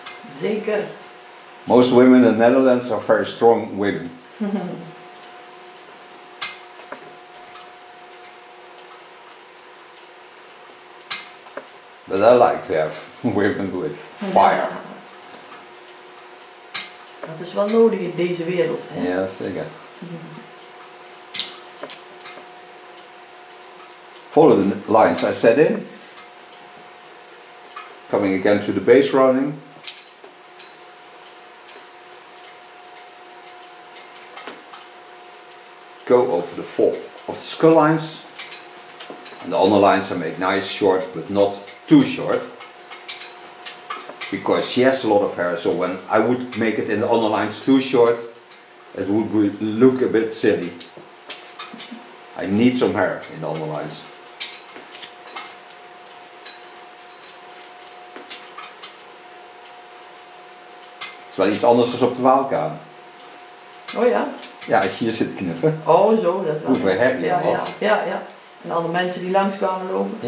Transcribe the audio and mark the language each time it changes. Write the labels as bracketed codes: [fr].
[nl] Zeker. [en] Most women in the Netherlands are very strong women. But I like to have women with fire. [nl] Dat is wel nodig in deze wereld, hè? Ja, zeker. [en] Follow the lines I set in. Coming again to the base rounding. Go over the four of the skull lines. And the other lines I make nice, short, but not too short, because she has a lot of hair, so when I would make it in the underlines too short, it would look a bit silly. I need some hair in the underlines. [nl] Het is wel iets anders dan op de waalkaan. Oh ja? Ja, als je hier zit knippen. Oh zo, dat wel. Hoeveel heb je ja, ja, ja, ja. En alle mensen die langskwamen lopen.